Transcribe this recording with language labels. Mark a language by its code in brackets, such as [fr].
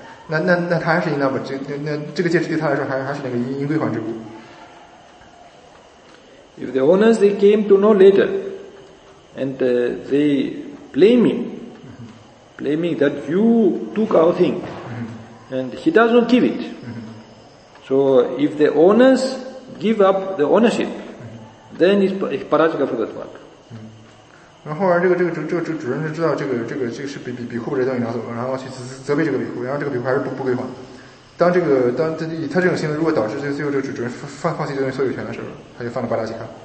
[zh] 那他还是 [en] in number， [zh] 这个戒指对他来说还是那个因归还之物。 [en] If the owners they came to know later, and they blaming that you took our thing, and he does not give it. So if the owners give up the ownership, then it's parajika for that work. [zh] 然后后来这个主人就知道这个是比库这东西拿走了，然后去责备这个比库，然后这个比库还是不归还。当他以他这种行为，如果导致最后这个主人放弃这个所有权的时候，他就犯了巴拉吉卡。